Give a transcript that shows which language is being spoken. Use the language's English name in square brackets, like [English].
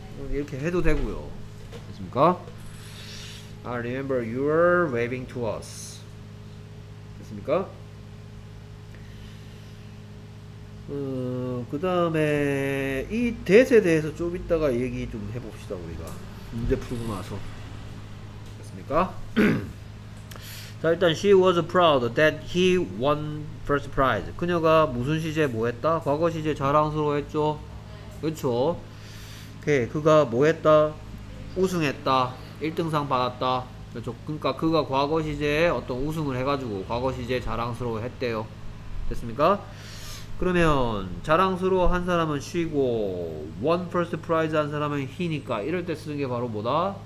[Korean] 이렇게 해도 되고요. 됐습니까? [English] I remember you were waving to us. [Korean] 됐습니까? 그 다음에 이 that에 대해서 좀 이따가 얘기 좀 해봅시다. 우리가 문제 풀고 나서 됐습니까? 자 일단 [English] she was proud that he won first prize. [Korean] 그녀가 무슨 시제 뭐 했다? 과거 시제 자랑스러워 했죠? 그쵸? 오케이. 그가 뭐 했다? 우승했다. 1등상 받았다. 그쵸? 그러니까 그가 과거 시제에 어떤 우승을 해가지고 과거 시제 자랑스러워 했대요. 됐습니까? 그러면 자랑스러워 한 사람은 she고 [English] one first prize [Korean] 한 사람은 he니까 이럴 때 쓰는 게 바로 뭐다?